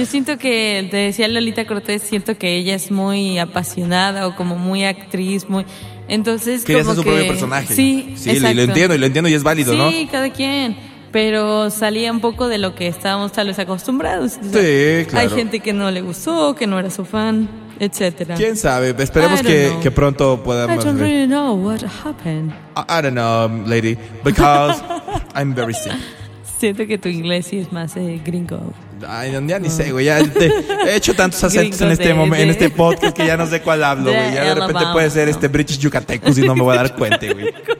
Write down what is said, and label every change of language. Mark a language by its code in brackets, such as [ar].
[es] Yo siento que, te decía Lolita Cortés, siento que ella es muy apasionada o como muy actriz, muy... Entonces, quería como ser su que... propio personaje. Sí, sí, exacto. Lo entiendo y es válido, sí, ¿no? Sí, cada quien. Pero salía un poco de lo que estábamos tal vez acostumbrados. O sea, sí, claro. Hay gente que no le gustó, que no era su fan, etcétera. ¿Quién sabe? Esperemos que pronto podamos... [en] I don't really know what happened. I don't know, lady, because I'm very sick. [es] Siento que tu inglés sí es más gringo. Ay, ya ni sé, güey. He hecho tantos acentos en este podcast que ya no sé cuál hablo, güey. Ya de repente puede ser British Yucateco si no me voy a dar cuenta, güey.